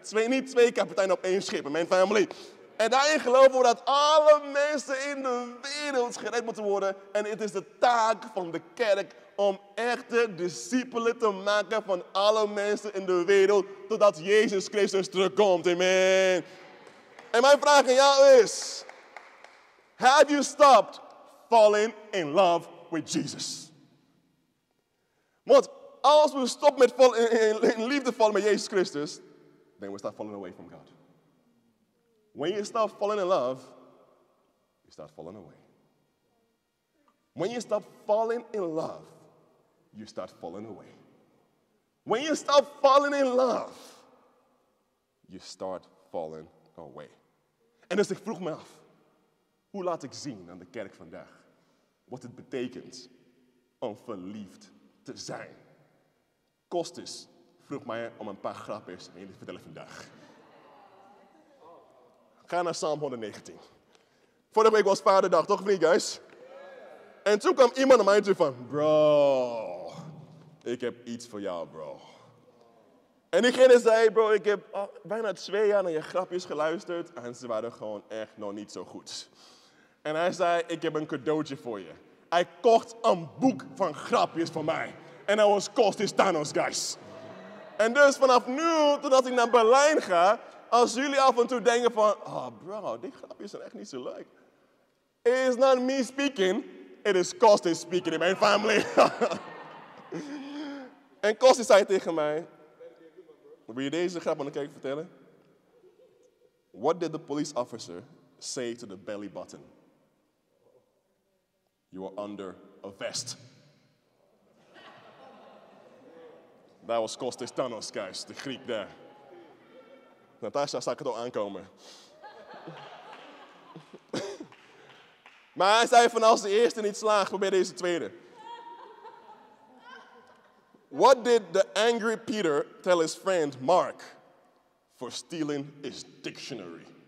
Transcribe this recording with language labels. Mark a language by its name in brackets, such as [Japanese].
[Dutch] Niet twee kapiteinen op één schip in mijn family. En daarin geloven we dat alle mensen in de wereld gered moeten worden. En het is de taak van de kerk om echte discipelen te maken van alle mensen in de wereld. Totdat Jezus Christus terugkomt. Amen. En mijn vraag aan jou is, [English] Have you stopped falling in love with Jesus? [Dutch] Want als we stoppen met liefde vallen met Jezus Christus, [English] then we start falling away from God. When you stop falling in love, you start falling away. When you stop falling in love, you start falling away. When you stop falling in love, you start falling away. [Dutch] En dus ik vroeg me af, hoe laat ik zien aan de kerk vandaag wat het betekent om verliefd te zijn? Kostis vroeg mij om een paar grapjes aan jullie te vertellen vandaag. Ga naar Psalm 119. Vorige week was Vaderdag, toch of niet, guys? En toen kwam iemand naar mij toe van, bro, ik heb iets voor jou, bro. En diegene zei, bro, ik heb bijna 2 jaar naar je grapjes geluisterd. En ze waren gewoon echt nog niet zo goed. En hij zei, ik heb een cadeautje voor je. Hij kocht een boek van grapjes voor mij. En dat was Kostis Thanos, guys. En dus vanaf nu, totdat ik naar Berlijn ga, als jullie af en toe denken van, oh bro, die grapjes zijn echt niet zo leuk. [English] It is not me speaking, it is Kostis speaking in [Dutch] mijn [English] family. [Dutch] En Kostis zei tegen mij, wil je deze grap aan de kerk vertellen? [English] What did the police officer say to the belly button? You are under a vest. [Dutch] Dat was Kostis Thanos, guys, de Griek daar. Natasha zag het al aankomen. Maar hij zei van als de eerste niet slaagt, probeer deze tweede. [English] What did the angry Peter tell his friend Mark for stealing his dictionary?